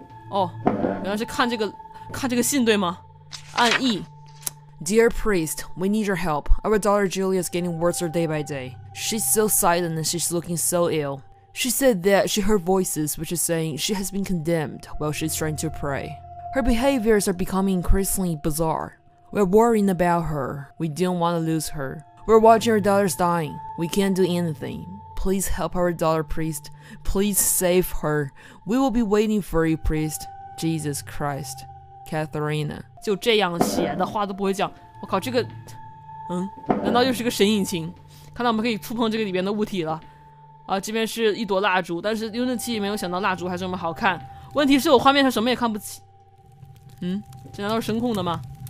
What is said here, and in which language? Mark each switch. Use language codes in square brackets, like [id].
[zh] 哦，原来是看这个信对吗？按 E. [en] Dear priest, we need your help. Our daughter Julia is getting worse day by day. She's so silent and she's looking so ill. She said that she heard voices, which is saying she has been condemned while she's trying to pray. Her behaviors are becoming increasingly bizarre. We're worrying about her. We don't want to lose her. We're watching our daughter's dying. We can't do anything. Please help our daughter, priest. Please save her. We will be waiting for you, priest. Jesus Christ. Katharina. [zh] 就这样写的话都不会讲。我靠，这个，难道又是个神引擎？看来我们可以触碰这个里边的物体了。啊，这边是一朵蜡烛，但是 Unity 没有想到蜡烛还这么好看。问题是我画面上什么也看不起。这难道是声控的吗？